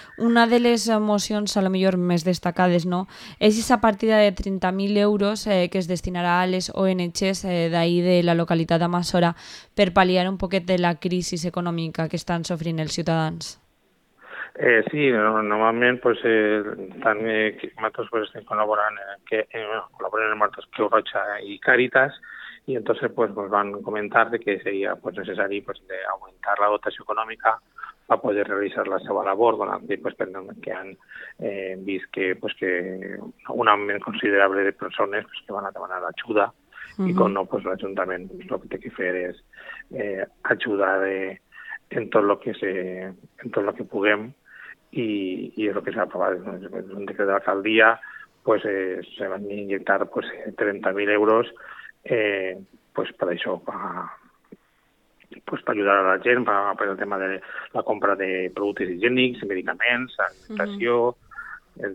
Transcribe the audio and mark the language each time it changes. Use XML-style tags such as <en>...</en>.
<ca>Una de les mocions, a lo millor, més destacades, no? És aquesta partida de 30.000 euros que es destinarà a les ONGs d'ahí de la localitat d'Almassora per pal·liar un poquet de la crisi econòmica que estan sofrint els ciutadans. Sí, normalment pues, també nosaltres pues, estem col·laborant col·laborant amb nosaltres Creu Roja i Càritas.</ca> <es>Y entonces pues nos van a comentar de que sería pues necesario pues de aumentar la dotación económica para poder realizar</es> <ca>la seva labor, donant pues que han vist que pues que un augment considerable de persones pues que van a demanar ajuda. Uh-huh. Y con no pues l'ajuntament lo que té que fer és ajudar en tot lo que puguem i és lo que s'ha aprovat en un decret de l'alcaldia, pues</ca> <es>se van a inyectar</es> <ca>pues 30.000 euros pues per això, pues per ajudar a la gent, per el tema de la compra de productes higiènics, medicaments, alimentació, uh-huh.</ca>